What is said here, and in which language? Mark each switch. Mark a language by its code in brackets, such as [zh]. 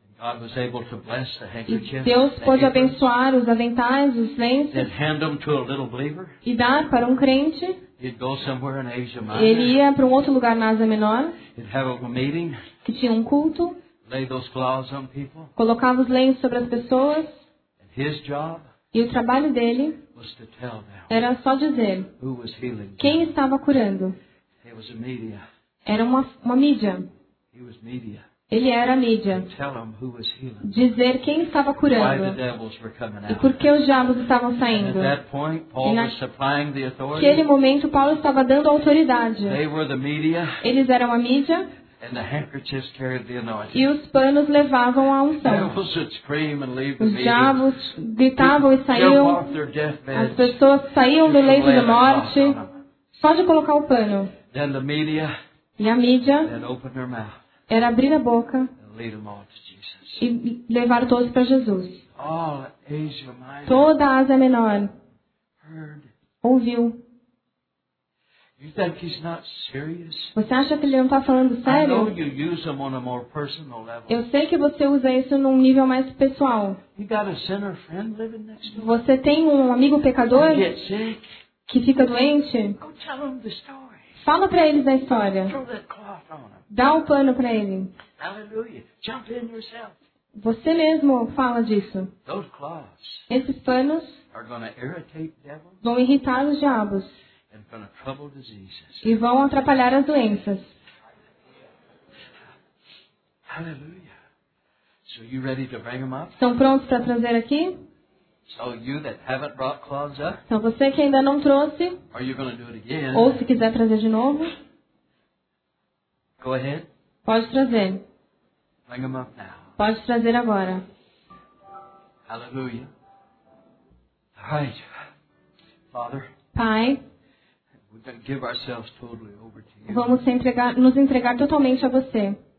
[en] God was able to bless the handkerchief, [pt] e Deus pôde abençoar os aventais, os lenços. [en] Hand them to a little believer. [pt] E dar para um crente. [en] He'd go somewhere in Asia Minor. [pt] Ele ia para um outro lugar na Ásia Menor. [en] He'd have a meeting. [pt] Que tinha um culto. [en] Lay those cloths on people. [pt] Colocava os lenços sobre as pessoas. [en] And his job. [pt] E o trabalho dele [en] was to tell them [pt] era só dizer [en] who was healing [pt] quem estava curando. [en] It was a media. [pt] Era uma mídia. [en] He was media. [pt] Ele era a mídia. [en] Tell them who was healing. [pt] Dizer quem estava curando. [en] Why the devils were coming out. [pt] E por que os diabos estavam saindo. [en] And at that point, Paul was supplying the authority. [pt] Naquele momento, Paulo estava dando autoridade. [en] They were the media. [pt] Eles eram a mídia. [en] And the handkerchiefs carried the anointing. [pt] E os panos levavam a unção. [en] Devils would scream and leave the [pt] os diabos gritavam e saíam. As pessoas saíam do leito da morte só de colocar o pano. [en] Then the media, [pt] e a mídia [en] then opened their mouth, [pt] era abrir a boca [en] and lead them all to Jesus. [pt] E levar todos para Jesus. [en] All Asia Minor, [pt] toda a Ásia Menor [en] heard, [pt] ouviu. [en] You think he's not serious? [pt] Você acha que ele não está falando sério? [en] I know you use him on a more personal level. [pt] Eu sei que você usa isso num nível mais pessoal. [en] You got a sinner friend living next to you. [pt] Você tem um amigo pecador que fica doente? [en] Go tell him the story. [pt] Fala para eles a história. [en] Throw that cloth on him. [pt] Dá o pano para ele. [en] Hallelujah. Jump in yourself. [pt] Você mesmo fala disso. [en] Those cloths [pt] esses panos [en] are gonna irritate devils. [pt] Vão irritar os diabos. [en] And going to trouble diseases. [pt] E vão atrapalhar as doenças. [en] Hallelujah. So you ready to bring them up? [pt] Estão prontos para trazer aqui? [en] So you that haven't brought cloths up? [pt] Então você que ainda não trouxe? [en] Are you going to do it again? [pt] Ou se quiser trazer de novo? [en] Go ahead. [pt] Pode trazer. [en] Bring them up now. [pt] Pode trazer agora. [en] Hallelujah. All right. Father. [pt] Pai. [en] Give ourselves totally over to you. [pt] Vamos nos entregar totalmente a você.